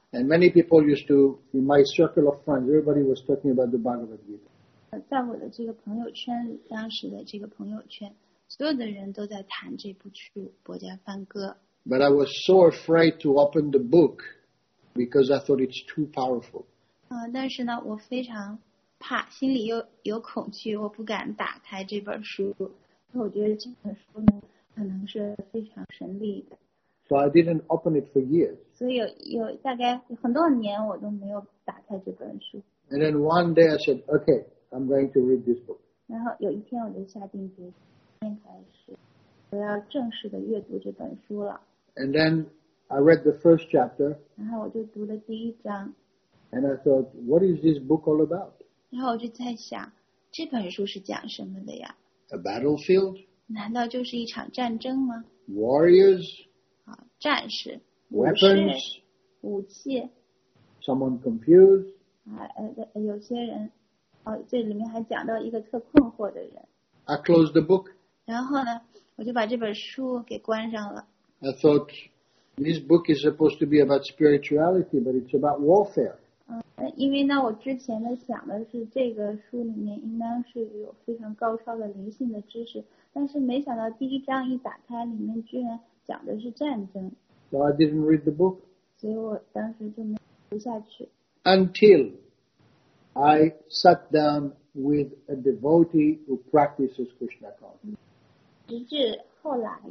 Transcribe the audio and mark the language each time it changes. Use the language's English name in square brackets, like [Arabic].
[English] And many people used to, in my circle of friends, everybody was talking about the Bhagavad Gita. [Chinese] 在我的这个朋友圈，当时的这个朋友圈，所有的人都在谈这部书《薄伽梵歌》。 [English] But I was so afraid to open the book because I thought it's too powerful. [Chinese] 但是呢, 我非常怕, 心里有恐惧, 我不敢打开这本书, 我觉得这本书呢, 可能是非常神秘的。 [English] So I didn't open it for years. [Chinese] 所以有大概很多年, 我都没有打开这本书。 [English] And then one day I said, okay, I'm going to read this book. [Chinese] 然后有一天我就下定决心开始, 我要正式的阅读这本书了。 [English] And then I read the first chapter. [Chinese] 然后我就读了第一章, [English] and I thought, what is this book all about? [Chinese] 然后我就在想, 这本书是讲什么的呀? [English] A battlefield? [Chinese] 难道就是一场战争吗? [English] Warriors? [Chinese] 战士, [English] weapons, [Chinese] 武器, [English] someone confused, [Chinese] 有些人, 这里面还讲到一个特困惑的人, [English] I closed the book. [Chinese] 然后呢, 我就把这本书给关上了。 [English] I thought, this book is supposed to be about spirituality, but it's about warfare. [Chinese] 因为呢我之前的想的是这个书里面应当是有非常高超的灵性的知识, 但是没想到第一章一打开里面居然讲的是战争。 [English] So I didn't read the book. [Chinese] 所以我当时就没读下去。 [English] Until I sat down with a devotee who practices Krishna consciousness.